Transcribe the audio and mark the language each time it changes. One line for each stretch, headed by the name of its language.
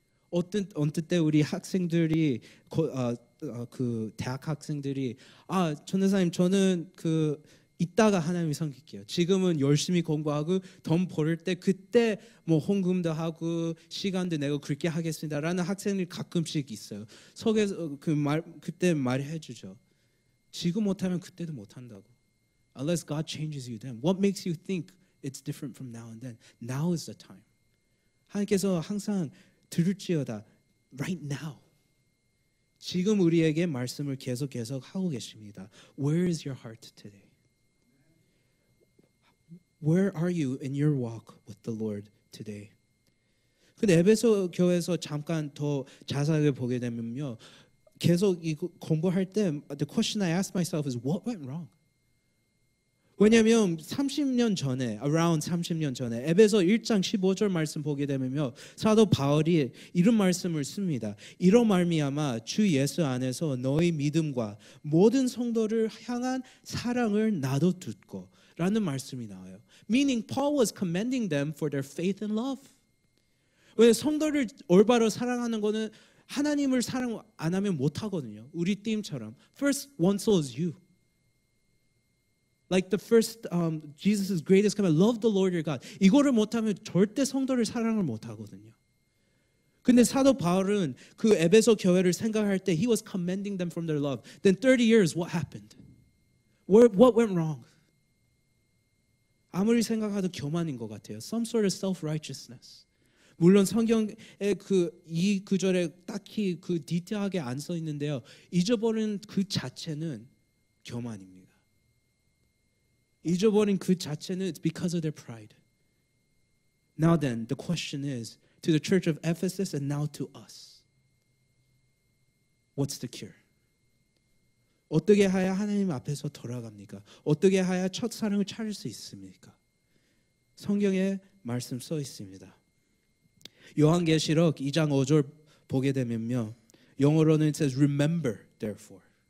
Korean: 어떤 때 우리 학생들이 그 대학 학생들이 아 전도사님 저는 그 이따가 하나님이 섬길게요. 지금은 열심히 공부하고 돈 벌을 때 그때 뭐 헌금도 하고 시간도 내고 그렇게 하겠습니다라는 학생이 가끔씩 있어요. 속에서 그때 말해 주죠. 지금 못하면 그때도 못한다고.
English: Unless God changes you then. What makes you think it's different from now and then? Now is the time.
Korean: 하나님께서 항상 들을지어다.
English: Right now.
Korean: 지금 우리에게 말씀을 계속 하고 계십니다.
English: Where is your heart today? Where are you in your walk with the Lord today?
Korean: 근데 에베소 교회에서 잠깐 더 자세하게 보게 되면요. 계속 공부할 때
English: the question I ask myself is what went wrong?
Korean: 왜냐면 30년 전에 around 30년 전에 에베소 1장 15절 말씀 보게 되면요. 사도 바울이 이런 말씀을 씁니다. 이로 말미암아 주 예수 안에서 너희 믿음과 모든 성도를 향한 사랑을 나도 듣고 라는 말씀이 나와요.
English: Meaning Paul was commending them for their faith and love.
Korean: 왜 성도를 올바로 사랑하는 거는 하나님을 사랑 안 하면 못 하거든요. 우리 팀처럼
English: first one soul is you. Like the first Jesus' greatest command, love the Lord your God.
Korean: 이거를 못 하면 절대 성도를 사랑을 못 하거든요. 근데 사도 바울은 그 에베소 교회를 생각할 때
English: he was commending them from their love. Then 30 years what happened? What went wrong?
Korean: 아무리 생각해도 교만인 것 같아요.
English: Some sort of self-righteousness.
Korean: 물론 성경에 그 이 구절에 딱히 그 디테일하게 안 써 있는데요. 잊어버린 그 자체는 교만입니다. 잊어버린 그 자체는
English: it's because of their pride. Now then, the question is to the church of Ephesus and now to us. What's the cure?
Korean: 어떻게 해야 하나님 앞에서 돌아갑니까? 어떻게 해야 첫사랑을 찾을 수 있습니까? 성경에 말씀 써 있습니다. 요한계시록 2장 5절 보게 되면요. 영어로는
English: it says remember therefore.